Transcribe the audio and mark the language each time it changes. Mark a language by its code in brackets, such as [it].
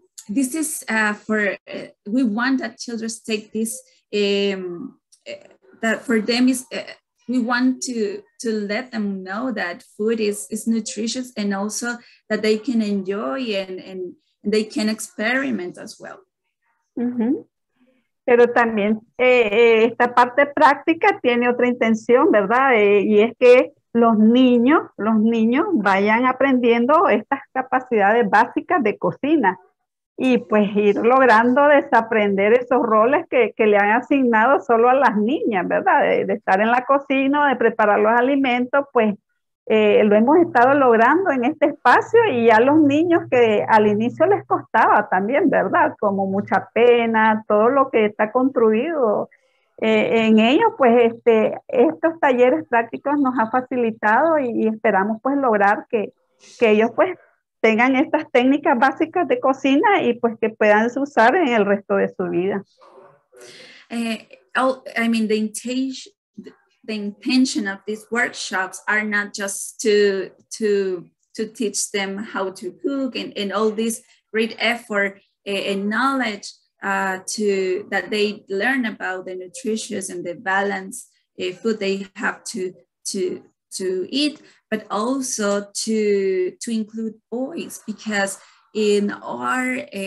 [en] We want that children take this, that for them is, we want to let them know that food is nutritious, and also that they can enjoy and they can experiment as well. Mm-hmm. [es] Pero también esta parte práctica tiene otra intención, ¿verdad? Y es que los niños vayan aprendiendo estas capacidades básicas de cocina. Y pues ir logrando desaprender esos roles que le han asignado solo a las niñas, ¿verdad? De estar en la cocina, de preparar los alimentos, pues lo hemos estado logrando en este espacio y ya los niños que al inicio les costaba también, ¿verdad? Como mucha pena, todo lo que está construido en ellos, pues estos talleres prácticos nos ha facilitado y esperamos pues lograr que ellos pues tengan estas técnicas básicas de cocina y pues que puedan usar en el resto de su vida. [en] I mean, the intention of these workshops are not just to teach them how to cook and all this great effort and knowledge that they learn about the nutritious and the balanced food they have to eat, but also to include boys, because in our